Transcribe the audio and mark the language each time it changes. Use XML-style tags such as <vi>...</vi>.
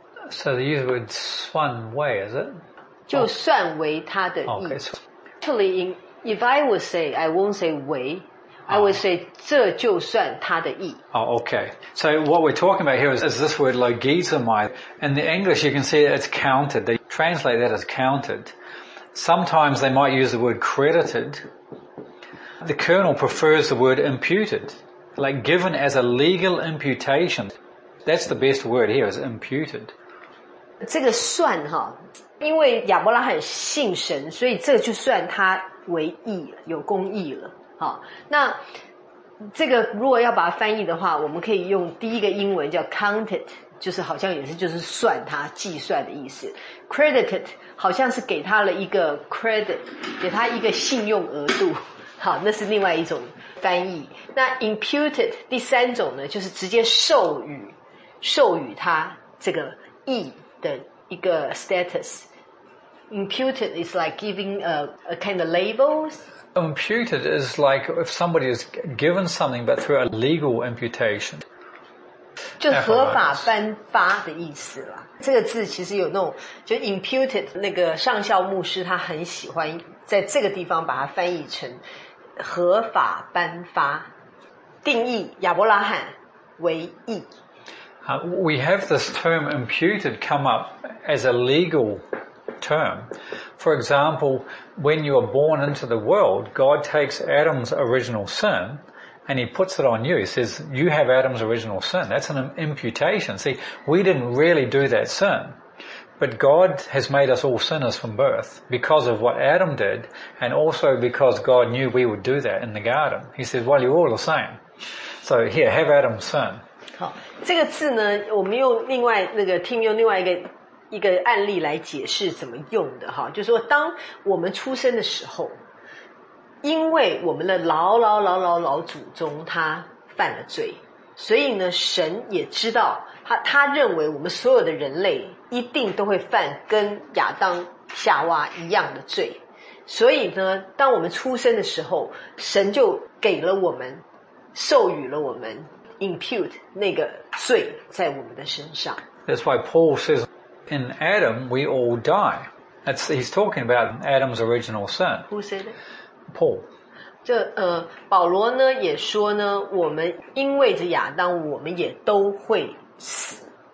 <en>So the use would 算为 is it?</en> <zh>就算为他的义。</zh> <en>Actually, if I would say, I won't say 为。 I would say,</en> <zh>这就算他的义。</zh> <en>Oh, okay. So what we're talking about here is this word logizomai. In the English, you can see it's counted. They translate that as counted. Sometimes they might use the word credited. The Colonel prefers the word imputed, like given as a legal imputation. That's the best word here, is imputed.</en> <zh>这个算哈，因为亚伯拉罕信神，所以这就算他为义了，有公义了。好，那这个如果要把它翻译的话，我们可以用第一个英文叫 counted， 就是好像也是就是算他计算的意思。 credited 好像是给他了一个 credit， 给他一个信用额度。好，那是另外一种翻译。那 imputed 第三种呢，就是直接授予他这个义的一个 status。</zh> <en>Imputed is like giving a kind of labels. Imputed is like if somebody is given something but through a legal imputation.</en> <zh>就合法颁发的意思啦。这个字其实有那种就 imputed， 那个上校牧师他很喜欢在这个地方把它翻译成合法颁发，定义亚伯拉罕为义。</zh> <en>We have this term imputed come up as a legal term. For example, when you are born into the world, God takes Adam's original sin and he puts it on you. He says, you have Adam's original sin. That's an imputation. See, we didn't really do that sin. But God has made us all sinners from birth because of what Adam did and also because God knew we would do that in the garden. He says, well, you're all the same. So here, have Adam's sin.</en> <zh>好，这个字呢，我们用另外那个 Tim 用另外一个案例来解释怎么用的哈，就是说，当我们出生的时候，因为我们的老祖宗他犯了罪，所以呢，神也知道他认为我们所有的人类一定都会犯跟亚当夏娃一样的罪，所以呢，当我们出生的时候，神就给了我们，授予了我们。 Impute 那个罪在我们的身上。</zh> <en>That's why Paul says, "In Adam we all die." That's he's talking about Adam's original sin. Who said it? Paul.</en> <zh>这保罗呢也说呢，我们因为着亚当，我们也都会死。</zh>